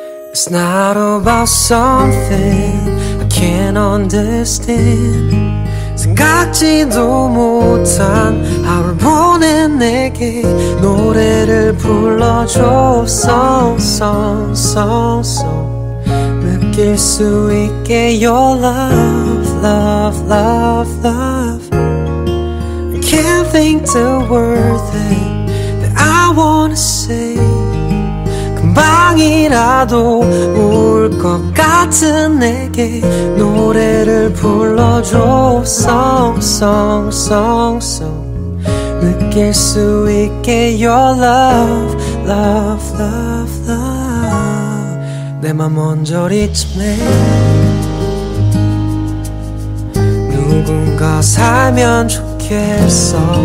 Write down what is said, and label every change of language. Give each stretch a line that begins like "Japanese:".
English: It's not about something I can't understand.
Korean: 생각지도 못한 하루 보낸 내게 노래를 불러줘.
English: Song, song, song, song.
Korean: 느낄 수 있게
English: your love, love, love, love. I can't think the word that I wanna say.
Korean: 금방이라도 울 것 같은 내게 노래를 불러줘.
English: Song, song, song, song.
Korean: 느낄 수 있게
English: your love, love, love, love.
Korean: 내 맘 먼저 리듬에 누군가 살면 좋겠어.